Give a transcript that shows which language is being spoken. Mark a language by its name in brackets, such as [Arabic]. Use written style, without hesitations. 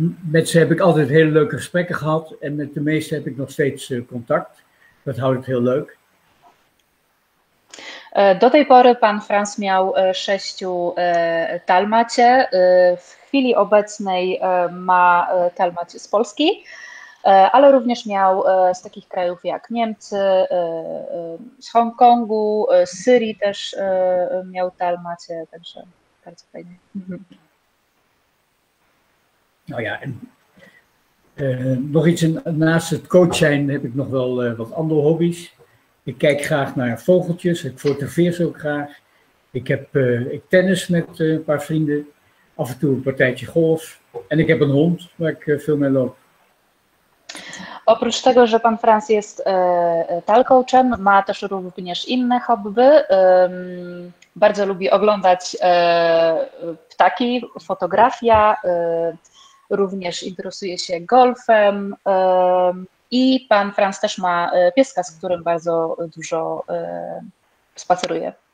[Dutch] Met ze heb ik altijd hele leuke gesprekken gehad en met de meeste heb ik nog steeds contact. Dat houdt het heel leuk. [Polish] Do tej pory pan Frans miał 6 talmacie. W chwili obecnej ma talmacie z Polski, ale również miał z takich krajów jak Niemcy, z Hongkongu, z Syrii też miał talmacie, także bardzo fajnie. [Dutch] No ja, nog iets naast het coach zijn heb ik nog wel wat andere hobby's. Ik kijk graag naar vogeltjes, ik fotografeer ze ook graag. Ik tennis met een paar vrienden, af en toe een partijtje golf. En ik heb een hond waar ik veel mee loop. [Polish] Oprócz tego, że pan Frans jest talcoachem, ma też również inne hobby. Bardzo lubi oglądać ptaki, fotografia, również interesuje się golfem i pan Frans też ma pieska, z którym bardzo dużo spaceruje.